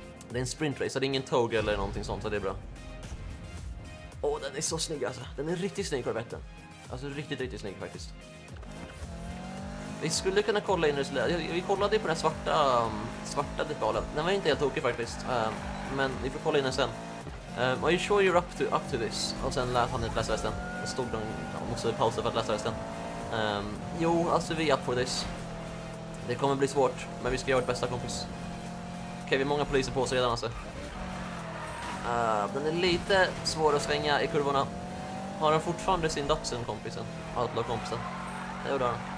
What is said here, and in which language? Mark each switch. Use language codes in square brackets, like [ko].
[sv] Det är en sprint race, så det är ingen tog eller någonting sånt, så det är bra. Åh, den är så snygg alltså. Den är riktigt snygg, Corvetten. Alltså riktigt riktigt snygg faktiskt. Vi skulle kunna kolla in det. Vi kollade på den svarta svarta detaljen. Den var inte helt tokig faktiskt. Men vi får kolla in den sen. [en] Are you sure you're up to this? [sv] Och sen lät han inte läsa resten. Det stod de, ja, måste vi pausa för att läsa resten. Jo, alltså vi är [en] up for this. [sv] Det kommer bli svårt, men vi ska göra vårt bästa, kompis. Okej, vi är många poliser på oss redan alltså. Den är lite svår att svänga i kurvorna. Har han fortfarande sin Datsun, kompisen? Outlaw kompisen. Det gjorde han.